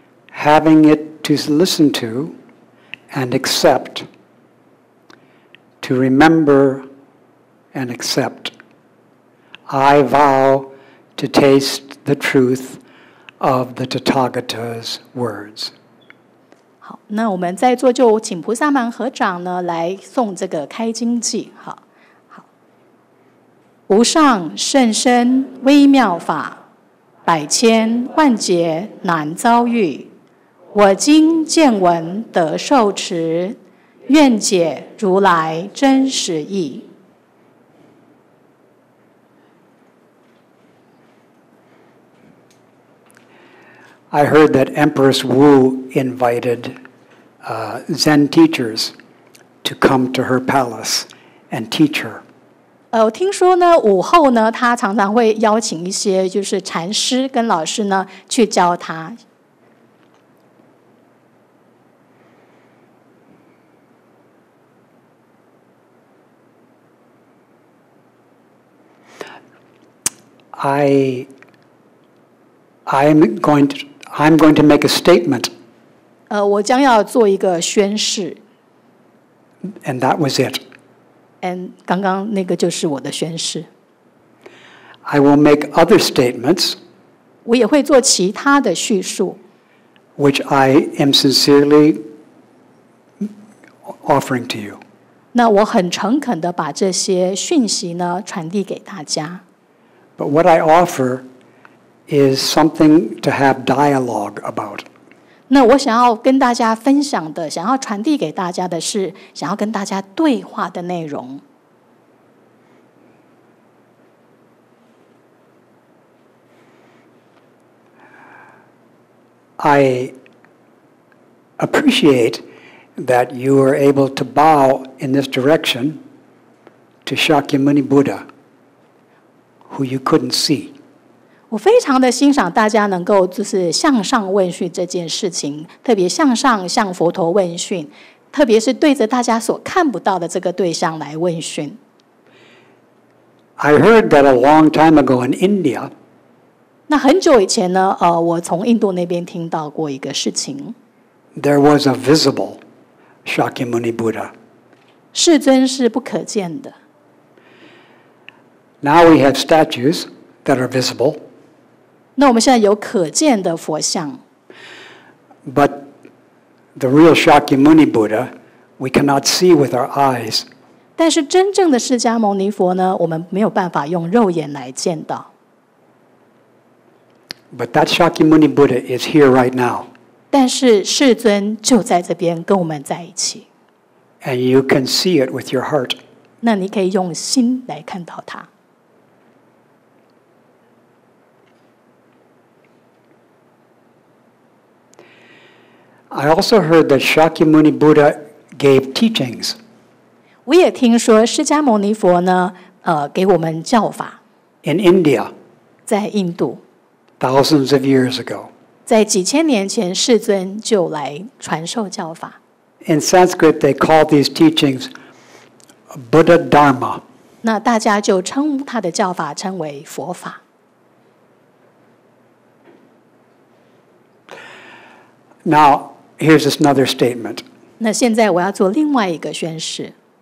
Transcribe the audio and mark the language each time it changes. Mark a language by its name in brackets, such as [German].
[English] Having it to listen to and accept... To remember and accept, I vow to taste the truth of the Tathagata's words. [Chinese] 好，那我们在座就请菩萨们合掌呢，来诵这个开经偈。好，好。无上甚深微妙法，百千万劫难遭遇，我今见闻得受持。愿解如来真实意。 [English] I heard that Empress Wu invited Zen teachers to come to her palace and teach her. [Chinese] 我听说呢，午后呢，她常常会邀请一些就是禅师跟老师呢去教她。 [English] I'm going to make a statement. [Chinese] 我将要做一个宣誓。 [English] And that was it. [Chinese] And 刚刚那个就是我的宣誓。 [English] I will make other statements. [Chinese] 我也会做其他的叙述。 [English] Which I am sincerely offering to you. [Chinese] 那我很诚恳地把这些讯息呢传递给大家。 [English] But what I offer is something to have dialogue about. [Chinese] 那我想要跟大家分享的，想要传递给大家的是，想要跟大家对话的内容。 [English] I appreciate that you are able to bow in this direction to Shakyamuni Buddha. Who you couldn't see. [Chinese] 我非常的欣赏大家能够就是向上问讯这件事情，特别向上向佛陀问讯，特别是对着大家所看不到的这个对象来问讯。 [English] I heard that a long time ago in India. [Chinese] 那很久以前呢，我从印度那边听到过一个事情。 [English] There was a visible Shakyamuni Buddha. [Chinese] 世尊是不可见的。 [English] Now we have statues that are visible. [Chinese] 那我们现在有可见的佛像。 [English] But the real Shakyamuni Buddha, we cannot see with our eyes. [Chinese] 但是真正的释迦牟尼佛呢，我们没有办法用肉眼来见到。 [English] But that Shakyamuni Buddha is here right now. [Chinese] 但是世尊就在这边跟我们在一起。 [English] And you can see it with your heart. [Chinese] 那你可以用心来看到它。 [English] I also heard that Shakyamuni Buddha gave teachings. [Chinese] 我也听说释迦牟尼佛呢，给我们教法。 [English] In India. [Chinese] 在印度。 [English] Thousands of years ago. [Chinese] 在几千年前，世尊就来传授教法。 [English] In Sanskrit, they call these teachings Buddha Dharma. [Chinese] 那大家就称他的教法称为佛法。 [English] Now, here's this another statement. [Chinese] 那现在我要做另外一个宣誓。